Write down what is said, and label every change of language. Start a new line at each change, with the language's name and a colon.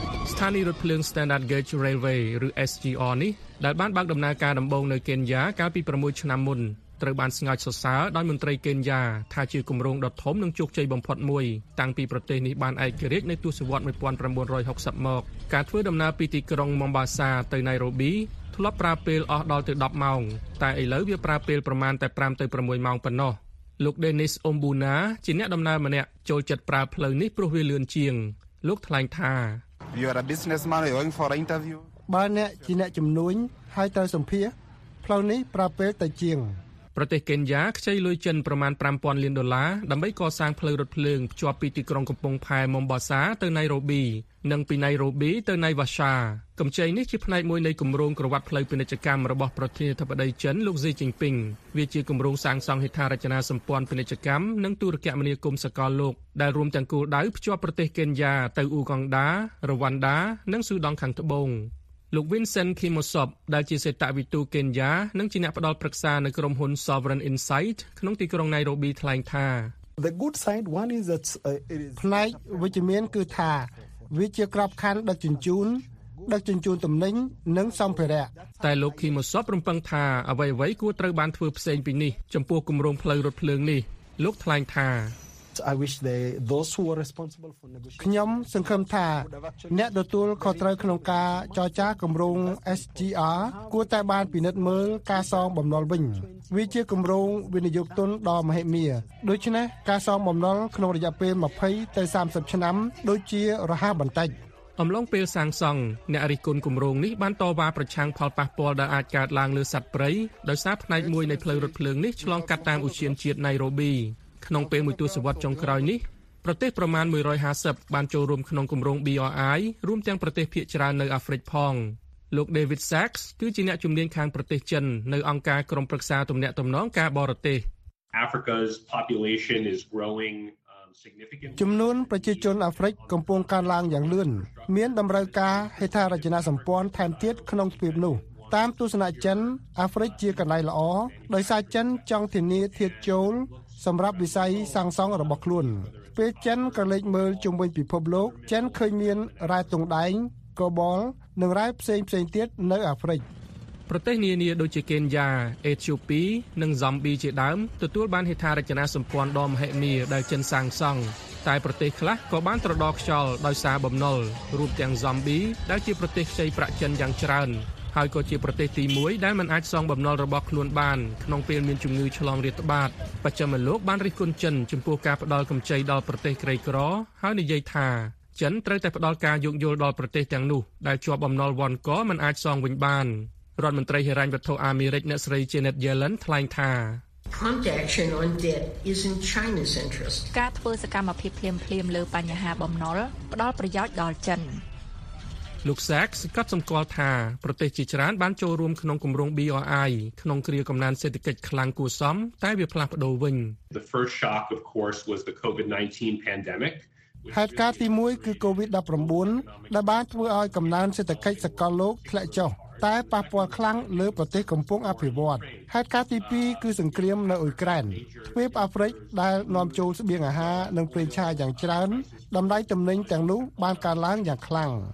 Khmer: ស្ថានីយ៍រថភ្លើង Standard Gauge Railway ឬ SGR នេះដែលបានបើកដំណើរការដំបូងនៅកេនយ៉ាកាលពី6ឆ្នាំមុនត្រូវបានស្ងើចសរសើរដោយមន្ត្រីកេនយ៉ាថាជាគម្រោងដ៏ធំនិងជោគជ័យបំផុតមួយតាំងពីប្រទេសនេះបានឯករាជ្យនៅទសវត្សរ៍1960មកការធ្វើដំណើរពីទីក្រុងមុំបាសាទៅណៃរ៉ូប៊ីធ្លាប់ប្រើពេលអស់ដល់ទៅ10ម៉ោងតែឥឡូវវាប្រើពេលប្រមាណតែ5ទៅ6ម៉ោងប៉ុណ្ណោះលោក Dennis Ombuna ជាអ្នកដំណើរម្នាក់ចូលចិត្តប្រើផ្លូវនេះព្រោះវាលឿនជាងលោកថ្លែងថា
English: You are a businessman going for an interview
Khmer: បើអ្នកជាអ្នកជំនួញហើយត្រូវសម្ភាសផ្លូវនេះប្រើពេលតែជាង ប្រទេសកេនយ៉ាខ្ចីលុយចិនប្រមាណ 5,000 លានដុល្លារដើម្បីកសាងផ្លូវរថភ្លើងភ្ជាប់ពីទីក្រុងកំពង់ផែមុំបាសាទៅណៃរ៉ូប៊ីនិងពីណៃរ៉ូប៊ីទៅណៃវ៉ាសា កម្ចីនេះជាផ្នែកមួយនៃគម្រោងក្រវ៉ាត់ផ្លូវពាណិជ្ជកម្មរបស់ប្រធានាធិបតីចិនលោកស៊ីជីនពីងវាជាគម្រោងសាងសង់ហេដ្ឋារចនាសម្ព័ន្ធពាណិជ្ជកម្មនិងទូរគមនាគមន៍សកលលោកដែលរួមទាំងគោលដៅភ្ជាប់ប្រទេសកេនយ៉ាទៅអ៊ូហ្គង់ដារ៉ាវ៉ាន់ដានិងស៊ូដង់ខាងត្បូងលោក Vincent Kimosop ដែលជាសេតវិទូកេនយ៉ានិងជាអ្នកផ្ដល់ប្រឹក្សានៅក្រុមហ៊ុន Sovereign Insight ក្នុងទីក្រុង Nairobi ថ្លែងថា
English: The good side one is that it is
Khmer: ផ្នែកវិជ្ជមានគឺថាវាជាក្របខ័ណ្ឌដឹកជញ្ជូនទំនិញនិងសម្ភារៈ តែលោក Kimosop រំពឹងថាអ្វីៗគួរត្រូវបានធ្វើផ្សេងពីនេះចំពោះគម្រោងផ្លូវរថភ្លើងនេះលោកថ្លែងថា
English: I wish they those who are responsible for negotiation
Khmer: ខ្ញុំសង្ឃឹមថា អ្នកទទួលខុសត្រូវក្នុងការចរចាគម្រោង SGR គួរតែបានពិនិត្យមើលការសងបំណុលវិញវាជាគម្រោងវិនិយោគទុនដ៏មហិមាដូច្នេះការសងបំណុលក្នុងរយៈពេល20ទៅ30ឆ្នាំដូចជារហ័សបន្តិច អំឡុងពេលសាងសង់អ្នករិះគន់គម្រោងនេះបានតវ៉ាប្រឆាំងផលប៉ះពាល់ដែលអាចកើតឡើងលើសត្វព្រៃដោយសារផ្នែកមួយនៃផ្លូវរថភ្លើងនេះឆ្លងកាត់តាមឧឈានជាតិណៃរ៉ូប៊ីក្នុងពេលមួយទសវត្សរ៍ចុងក្រោយនេះប្រទេសប្រមាណ150បានចូលរួមក្នុងគម្រោង BRI រួមទាំងប្រទេសភាគច្រើននៅអាហ្វ្រិកផងលោក David Sachs គឺជាអ្នកជំនាញខាងប្រទេសចិននៅអង្គការក្រុមប្រឹក្សាទំនាក់ទំនងការបរទេស
English: Africa's population is growing significantly
Khmer: ចំនួនប្រជាជនអាហ្វ្រិកកំពុងកើនឡើងយ៉ាងលឿនមានតម្រូវការហេដ្ឋារចនាសម្ព័ន្ធថែមទៀតក្នុងទ្វីបនោះតាមទស្សនៈចិនអាហ្វ្រិកជាកន្លែងល្អដោយសារចិនចង់ធានាធាតចូលសម្រាប់វិស័យសាំងសុងរបស់ខ្លួនពេលចិនក៏លេចមើលជុំវិញពិភពលោកចិនឃើញមានរ៉ែទងដែង Cobol និងរ៉ែផ្សេងផ្សេងទៀតនៅអាហ្វ្រិក ប្រទេសនានាដូចជាកេនយ៉ាអេត្យូពីនិងហ្សាំប៊ីជាដើមទទួលបានហេដ្ឋារចនាសម្ព័ន្ធដ៏មហិមាដែលចិនសាំងសុងតែប្រទេសខ្លះក៏បានត្រដោខ្យល់ដោយសារបំណុលរួមទាំងហ្សាំប៊ីដែលជាប្រទេសខ្ចីប្រាក់ចិនយ៉ាងច្រើនហើយក៏ជាប្រទេសទី1ដែលមិនអាចសងបំណុលរបស់ខ្លួនបានក្នុងពេលមានជំងឺឆ្លងរាតត្បាតបច្ចុប្បន្នលោកបានរិះគន់ចិនចំពោះការផ្ដល់កម្ចីដល់ប្រទេសក្រីក្រហើយនិយាយថា ចិនត្រូវតែផ្ដល់ការយោគយល់ដល់ប្រទេសទាំងនោះដែលជាប់បំណុលវាន់កមិនអាចសងវិញបានរដ្ឋមន្ត្រីហិរញ្ញវត្ថុអាមេរិកអ្នកស្រី Janet Yellen ថ្លែងថា
English: Conjunction on debt is in China's interest
Khmer: ការធ្វើសកម្មភាពភ្លាមៗលើបញ្ហាបំណុលផ្ដល់ប្រយោជន៍ដល់ចិន លោកសាក់សកត់សម្គាល់ថាប្រទេសជាច្រើនបានចូលរួមក្នុងគម្រោង BRI ក្នុងគ្រាកំណើនសេដ្ឋកិច្ចខ្លាំងគួរសមតែវាផ្លាស់ប្ដូរវិញ
English: The first shock of course was the COVID-19 pandemic
Khmer: ហេតុការណ៍ទី1គឺ COVID-19 ដែលបានធ្វើឲ្យកំណើនសេដ្ឋកិច្ចសកលលោកធ្លាក់ចុះតែប៉ះពាល់ខ្លាំងលើប្រទេសកំពុងអភិវឌ្ឍហេតុការណ៍ទី2គឺសង្គ្រាមនៅអ៊ុយក្រែនទ្វីបអាហ្វ្រិកដែលនាំចូលស្បៀងអាហារនិងប្រេងឆាយ៉ាងច្រើនតម្លៃទំនិញទាំងនោះបានកើនឡើងយ៉ាងខ្លាំង